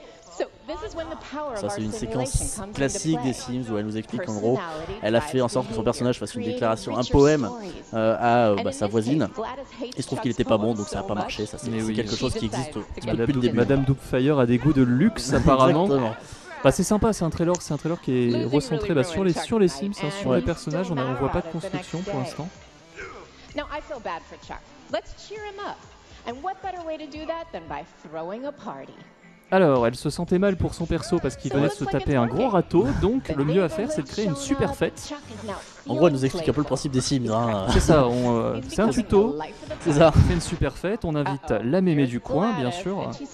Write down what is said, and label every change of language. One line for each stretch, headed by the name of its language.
English: So this is when the power of our simulation comes into play.
French: Ça c'est une séquence classique des Sims où elle nous explique qu'en gros, elle a fait en sorte que son personnage fasse une déclaration, un poème à sa voisine. Il se trouve qu'il était pas bon, donc ça a pas marché. Ça c'est oui, quelque chose qui existe depuis le début. Madame Doubtfire a des goûts de luxe apparemment. Exactement. Bah c'est sympa, c'est un trailer qui est recentré bah, sur les Sims, hein, sur ouais. Les personnages, on voit pas de construction pour l'instant.
English: Now I feel bad for Chuck. Let's cheer him up. And what better way to do that than by throwing a party?
French: Alors, elle se sentait mal pour son perso parce qu'il venait de se taper un gros râteau, donc le mieux à faire, c'est de créer une super fête. En gros, elle nous explique un peu le principe des Sims. Hein. C'est ça, c'est un tuto. C'est ça. On fait une super fête, on invite la mémé du coin, bien sûr.